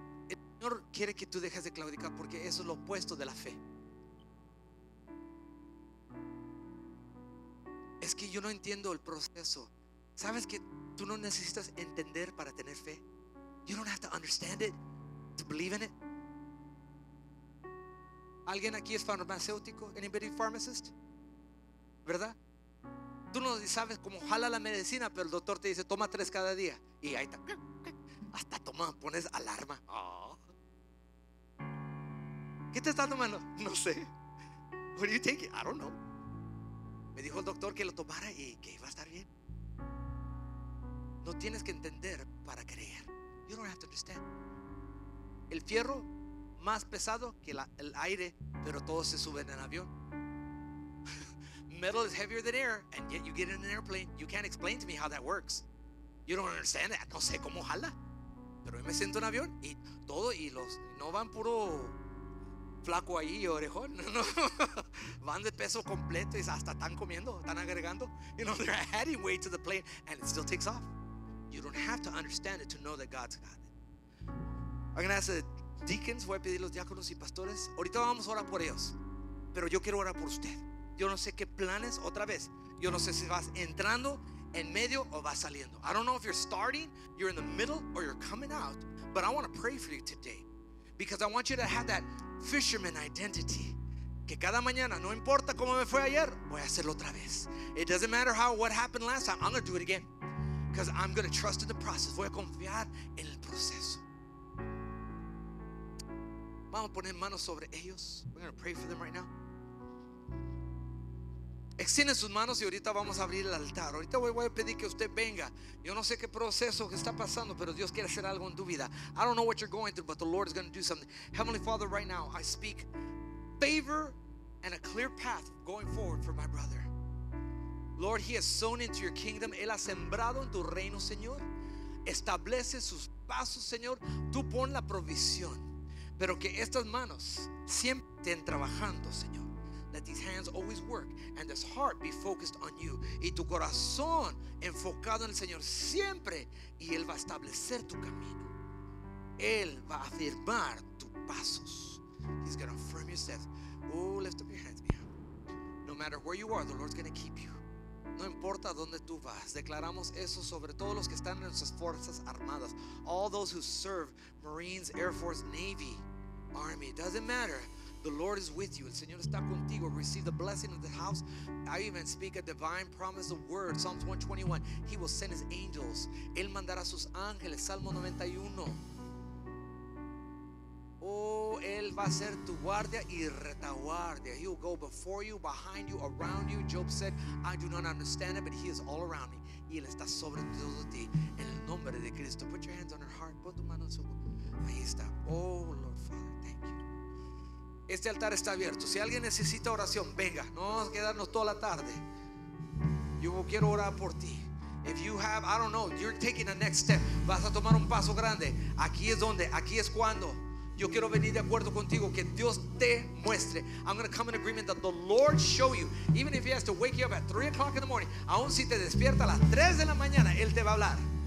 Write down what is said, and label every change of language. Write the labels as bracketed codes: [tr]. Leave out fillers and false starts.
[es] El Señor quiere que tú dejes de claudicar, porque eso es lo opuesto de la fe. Es que yo no entiendo el proceso. ¿Sabes que tú no necesitas entender para tener fe? [en] You don't have to understand it to believe in it. [es] ¿Alguien aquí es farmacéutico? [en] Anybody pharmacist? [es] ¿Verdad? Tú no sabes cómo jala la medicina, pero el doctor te dice toma tres cada día y ahí está. Hasta toma, pones alarma. ¿Qué te está tomando? No sé. [en] What are you taking? I don't know. [es] Me dijo el doctor que lo tomara y que iba a estar bien. No tienes que entender para creer. [en] You don't have to understand. [es] El fierro más pesado que el aire, pero todos se suben en avión. [en] Metal is heavier than air, and yet you get in an airplane. You can't explain to me how that works. You don't understand that. [es] No sé cómo jala. Pero yo me siento en avión y todo, y los no van puro flaco ahí y orejón, no. Van de peso completo y hasta están comiendo, están agregando. [en] You know, they're adding weight to the plane and it still takes off. You don't have to understand it to know that God's got it. I'm going to ask the deacons, [es] voy a pedir los diáconos y pastores. Ahorita vamos a orar por ellos, pero yo quiero orar por usted. Yo no sé qué planes, otra vez, yo no sé si vas entrando en medio o vas saliendo. [en] I don't know if you're starting, you're in the middle, or you're coming out, but I want to pray for you today, because I want you to have that fisherman identity. [es] Que cada mañana, no importa cómo me fue ayer, voy a hacerlo otra vez. [en] It doesn't matter how what happened last time, I'm going to do it again, because I'm going to trust in the process. [es] Voy a confiar en el proceso. Vamos a poner manos sobre ellos. [en] We're going to pray for them right now. [es] Extiende sus manos y ahorita vamos a abrir el altar. Ahorita voy a pedir que usted venga. Yo no sé qué proceso que está pasando, pero Dios quiere hacer algo en tu vida. [en] I don't know what you're going through, but the Lord is going to do something. Heavenly Father, right now I speak favor and a clear path going forward for my brother. Lord, he has sown into your kingdom. [es] Él ha sembrado en tu reino, Señor. Establece sus pasos, Señor. Tú pon la provisión, pero que estas manos siempre estén trabajando, Señor. [en] That these hands always work and this heart be focused on you. [es] Y tu corazón enfocado en el Señor siempre. Y Él va a establecer tu camino. Él va a afirmar tus pasos. [en] He's going to affirm your steps. Oh, lift up your hands, man. No matter where you are, the Lord's going to keep you. [es] No importa donde tú vas. Declaramos eso sobre todos los que están en nuestras fuerzas armadas. [en] All those who serve Marines, Air Force, Navy, Army. Doesn't matter. The Lord is with you. [es] El Señor está contigo. [en] Receive the blessing of the house. I even speak a divine promise of word. Psalms 121. He will send his angels. [es] Él mandará sus ángeles. Salmo 91. Oh, Él va a ser tu guardia y retaguardia. [en] He will go before you, behind you, around you. Job said, I do not understand it, but he is all around me. [es] Y Él está sobre todo ti. En el nombre de Cristo. [en] Put your hands on her heart. [es] Pon tu mano en su boca. Ahí está. [en] Oh, Lord, Father, thank you. [es] Este altar está abierto. Si alguien necesita oración, venga. No vamos a quedarnos toda la tarde. Yo quiero orar por ti. [en] If you have, I don't know, you're taking a next step. [es] Vas a tomar un paso grande. Aquí es donde, aquí es cuando. Yo quiero venir de acuerdo contigo. Que Dios te muestre. [en] I'm going to come in agreement that the Lord show you. Even if he has to wake you up at 3 o'clock in the morning. [es] Aún si te despierta a las 3 de la mañana, Él te va a hablar.